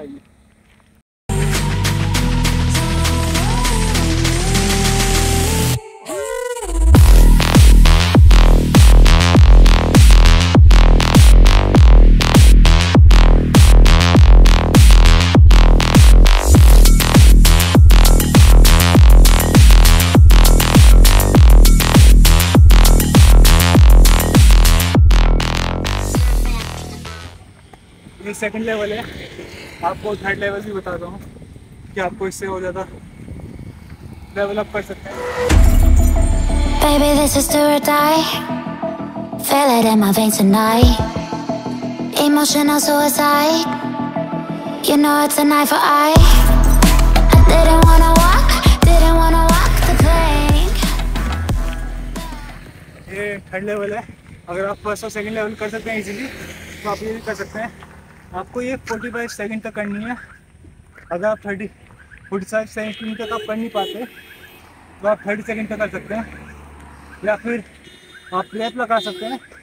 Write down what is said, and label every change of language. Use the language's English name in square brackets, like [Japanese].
[Hindi] आइए second level है, आपको थर्ड लेवल भी बताता हूँ कि आपको इससे और ज़्यादा डेवलप कर सकते हैं। [English] Baby, this is do or die. Feel it in my veins tonight. Emotional suicide. You know it's a knife for eye. I didn't wanna walk, didn't wanna walk the plank. [Hindi] ये third level है। अगर आप first और second level कर सकते हैं easily, तो आप ये भी कर सकते हैं। आपको ये 45 सेकंड तक करनी है। अगर आप 45 सेकंड तक आप कर नहीं पाते तो आप 30 सेकंड तक कर सकते हैं, या फिर आप प्लेप लगा सकते हैं।